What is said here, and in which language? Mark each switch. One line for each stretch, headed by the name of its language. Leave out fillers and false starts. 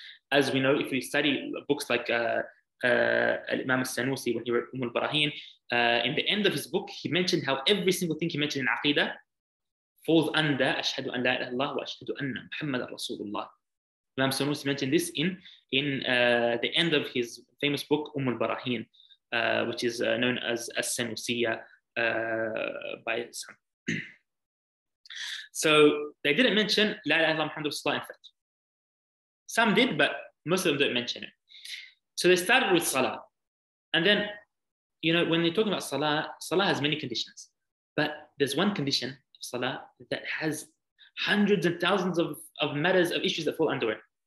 English: As we know, if we study books like Imam al-Sanusi when he wrote Umm al-Barahin, in the end of his book, he mentioned how every single thing he mentioned in Aqidah falls under
Arabic: أشهد أن لا إله إلا الله وأشهد أن محمد رسول الله.
English: Imam Sanusi mentioned this in the end of his famous book Umm al-Barahin, which is known as al-Sanusiyya by some. So they didn't mention
Arabic: لا إله إلا الله محمد رسول الله
English: in fact. Some did, but most of them don't mention it. So they started with Salah. And then, you know, when they're talking about Salah, Salah has many conditions. But there's one condition of Salah that has hundreds and thousands of matters, of issues that fall under it.